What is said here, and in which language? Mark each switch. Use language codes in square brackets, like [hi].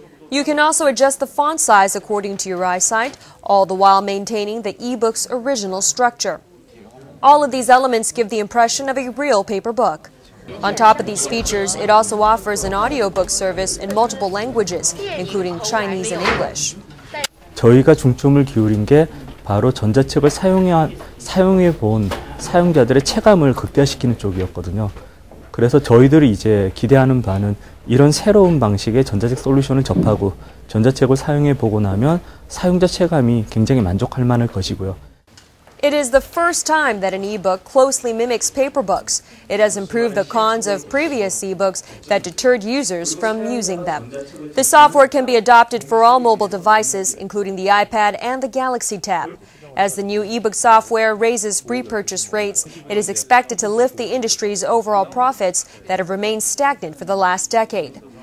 [en] You can also adjust the font size according to your eyesight, all the while maintaining the e-book's original structure. All of these elements give the impression of a real paper book. On top of these features, it also offers an audiobook service in multiple languages, including Chinese and English. [ko] 저희가 중점을 기울인 게 바로 전자책을 사용해 본 사용자들의 체감을 극대화시키는 쪽이었거든요. 그래서 저희들이 이제 기대하는 바는 이런 새로운 방식의 전자책 솔루션을 접하고 전자책을 사용해 보고 나면 사용자 체감이 굉장히 만족할 만할 것이고요. [en] It is the first time that an e-book closely mimics paper books. It has improved the cons of previous e-books that deterred users from using them. The software can be adopted for all mobile devices, including the iPad and the Galaxy Tab. As the new e-book software raises pre-purchase rates, it is expected to lift the industry's overall profits that have remained stagnant for the last decade.